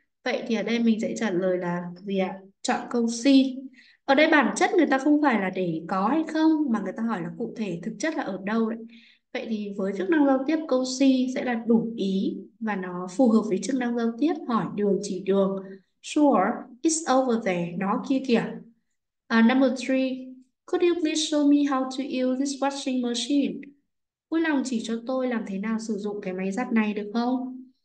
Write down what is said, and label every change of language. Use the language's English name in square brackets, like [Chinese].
[Vietnamese] Vậy thì ở đây mình sẽ trả lời là gì ạ? Chọn câu C. Ở đây bản chất người ta không phải là để có hay không, mà người ta hỏi là cụ thể thực chất là ở đâu đấy. Vậy thì với chức năng giao tiếp, câu C sẽ là đủ ý và nó phù hợp với chức năng giao tiếp hỏi đường chỉ đường. [English] Sure, it's over there. [Vietnamese] Nó kia kìa. [English] Number 3, could you please show me how to use this washing machine? [Vietnamese] Vui lòng chỉ cho tôi làm thế nào sử dụng cái máy giặt này được không?